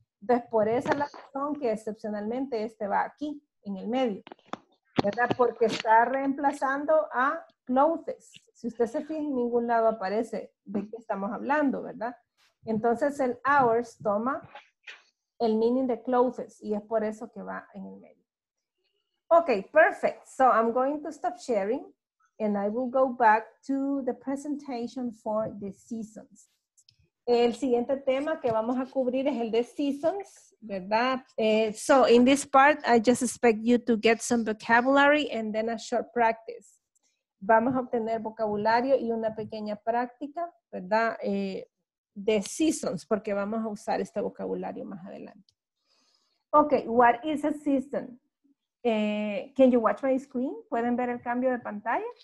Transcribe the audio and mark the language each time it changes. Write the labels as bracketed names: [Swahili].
[Spanish] Entonces por esa razón que excepcionalmente este va aquí, en el medio, ¿verdad? Porque está reemplazando a clothes. Si usted se fija, en ningún lado aparece de qué estamos hablando, ¿verdad? Entonces el ours toma el meaning de clothes, y es por eso que va en el medio. [English] Okay, perfect. So I'm going to stop sharing and I will go back to the presentation for the seasons. [Spanish] El siguiente tema que vamos a cubrir es el de seasons, ¿verdad? [English] So, in this part, I just expect you to get some vocabulary and then a short practice. [Spanish] Vamos a obtener vocabulario y una pequeña práctica, ¿verdad? De seasons, porque vamos a usar este vocabulario más adelante. [English] Okay, what is a season? Can you watch my screen? [Spanish] ¿Pueden ver el cambio de pantalla?